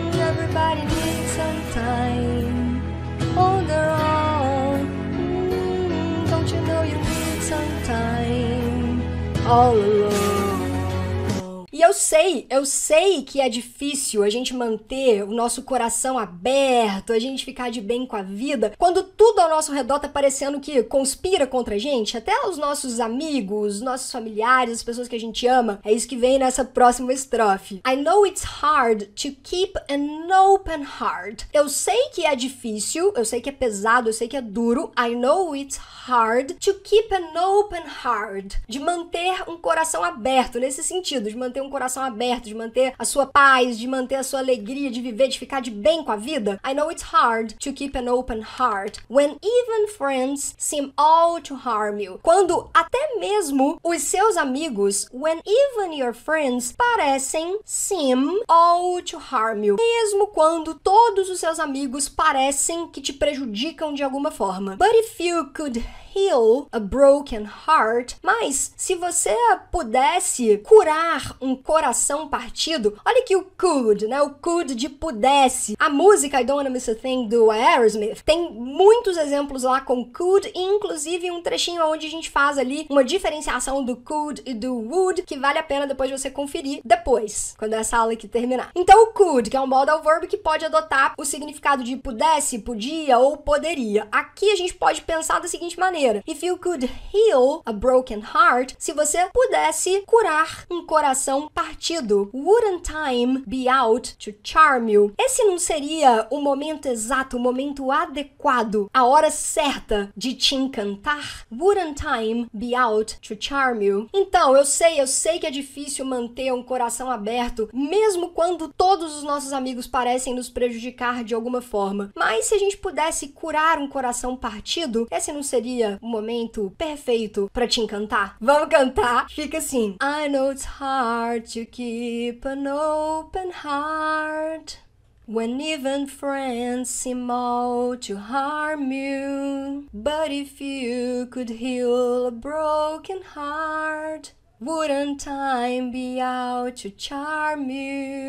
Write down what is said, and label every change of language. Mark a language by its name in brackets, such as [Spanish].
[English] Everybody needs some time on their own. Don't you know you need some time all alone? [Portuguese] E eu sei que é difícil a gente manter o nosso coração aberto, a gente ficar de bem com a vida, quando tudo ao nosso redor tá parecendo que conspira contra a gente, até os nossos amigos, nossos familiares, as pessoas que a gente ama. É isso que vem nessa próxima estrofe. [English] I know it's hard to keep an open heart. [Portuguese] Eu sei que é difícil, eu sei que é pesado, eu sei que é duro. [English] I know it's hard to keep an open heart. [Portuguese] De manter um coração aberto, nesse sentido, de manter um coração aberto, de manter a sua paz, de manter a sua alegria, de viver, de ficar de bem com a vida. [English] I know it's hard to keep an open heart when even friends seem all to harm you. [Portuguese] Quando até mesmo os seus amigos, [English] when even your friends, [Portuguese] parecem [English] seem all to harm you. [Portuguese] Mesmo quando todos os seus amigos parecem que te prejudicam de alguma forma. [English] But if you could heal a broken heart. [Portuguese] Mas se você pudesse curar um coração partido, olha aqui o could, né? O could de pudesse. A música I Don't Wanna Miss a Thing do Aerosmith tem muitos exemplos lá com could, inclusive um trechinho onde a gente faz ali uma diferenciação do could e do would, que vale a pena depois você conferir depois, quando essa aula aqui terminar. Então o could, que é um modal verbo que pode adotar o significado de pudesse, podia ou poderia. Aqui a gente pode pensar da seguinte maneira: [English] If you could heal a broken heart, [Portuguese] se você pudesse curar um coração partido, [English] wouldn't time be out to charm you? [Portuguese] Esse não seria o momento exato, o momento adequado, a hora certa de te encantar? [English] Wouldn't time be out to charm you? [Portuguese] Então, eu sei que é difícil manter um coração aberto, mesmo quando todos os nossos amigos parecem nos prejudicar de alguma forma. Mas se a gente pudesse curar um coração partido, esse não seria um momento perfeito pra te encantar? Vamos cantar? Fica assim. [English] I know it's hard to keep an open heart when even friends seem all to harm you. But if you could heal a broken heart, wouldn't time be out to charm you?